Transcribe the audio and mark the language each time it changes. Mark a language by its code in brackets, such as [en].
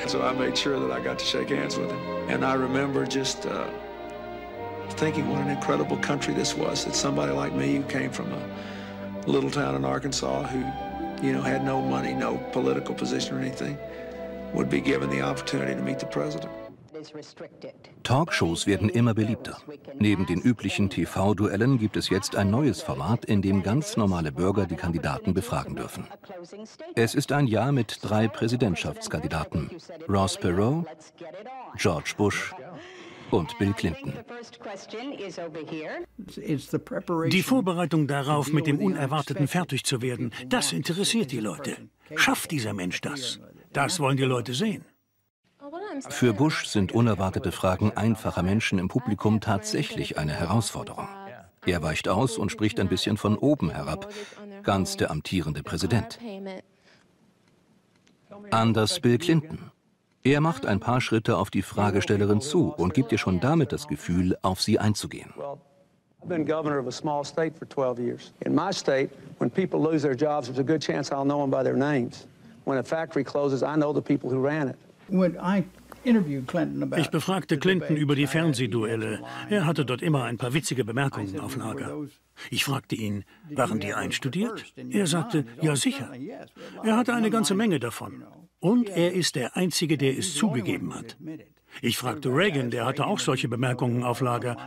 [en] So I made sure that I got to shake hands with him. And I remember just thinking what an incredible country this was, that somebody like me who came from a little town in Arkansas who, you know, had no money, no political position or anything, would be given the opportunity to meet the president. [de] Talkshows werden immer beliebter. Neben den üblichen TV-Duellen gibt es jetzt ein neues Format, in dem ganz normale Bürger die Kandidaten befragen dürfen. Es ist ein Jahr mit drei Präsidentschaftskandidaten: Ross Perot, George Bush und Bill Clinton. Die Vorbereitung darauf, mit dem Unerwarteten fertig zu werden, das interessiert die Leute. Schafft dieser Mensch das? Das wollen die Leute sehen. Für Bush sind unerwartete Fragen einfacher Menschen im Publikum tatsächlich eine Herausforderung. Er weicht aus und spricht ein bisschen von oben herab, ganz der amtierende Präsident. Anders Bill Clinton. Er macht ein paar Schritte auf die Fragestellerin zu und gibt ihr schon damit das Gefühl, auf sie einzugehen. [en] I've been governor of a small state for 12 years. In my state, when people lose their jobs, there's a good chance I'll know them by their names. When a factory closes, I know the people who ran it. [de] Ich befragte Clinton über die Fernsehduelle. Er hatte dort immer ein paar witzige Bemerkungen auf Lager. Ich fragte ihn, waren die einstudiert? Er sagte, ja sicher. Er hatte eine ganze Menge davon. Und er ist der Einzige, der es zugegeben hat. Ich fragte Reagan, der hatte auch solche Bemerkungen auf Lager.